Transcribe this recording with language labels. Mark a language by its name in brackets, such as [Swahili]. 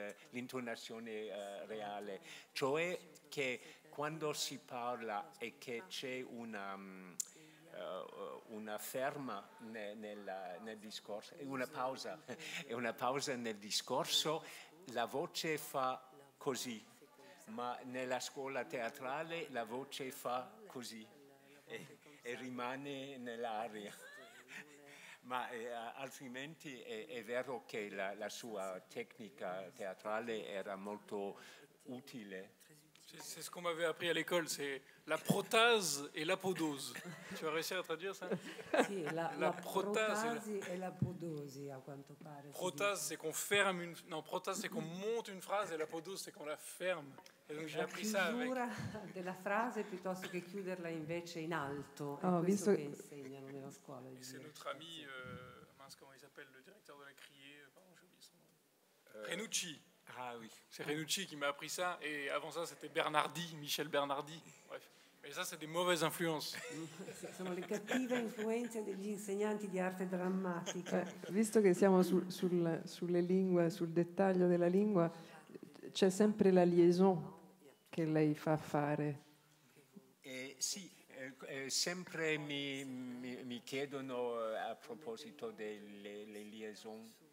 [Italian] l'intonazione reale, cioè che quando si parla e che c'è una ferma nel discorso, una pausa nel discorso, la voce fa così, ma nella scuola teatrale la voce fa così e rimane nell'aria. Ma altrimenti è vero che la sua tecnica teatrale era molto utile. [French] C'est ce qu'on m'avait appris à l'école, c'est la protase et l'apodose. Tu as réussi à traduire ça? Si, la protase et l'apodose, [Italian] à quanto pare. [French] Protase, c'est qu'on ferme une... Non, protase, c'est qu'on monte une phrase, et l'apodose, c'est qu'on la ferme. Et donc, j'ai la appris ça avec... [Italian] La chiusura [French] de la phrase, [Italian] piuttosto che chiuderla invece in alto. È oh, questo che insegnano nella scuola. [French] Et c'est notre ami, mince, comment il s'appelle, le directeur de la criée, pardon, j'ai oublié son nom. Renucci. Ah oui. C'est Renucci qui m'a appris ça, et avant ça c'était Bernardi, Michel Bernardi. Bref. Mais ça c'est des mauvaises influences. Ce sont les [Italian] cattive influences degli insegnanti di arte drammatica. Visto che siamo sulle lingue, sul dettaglio della lingua, c'è sempre la liaison che lei fa fare. Sì. Sempre mi chiedono a proposito delle liaison.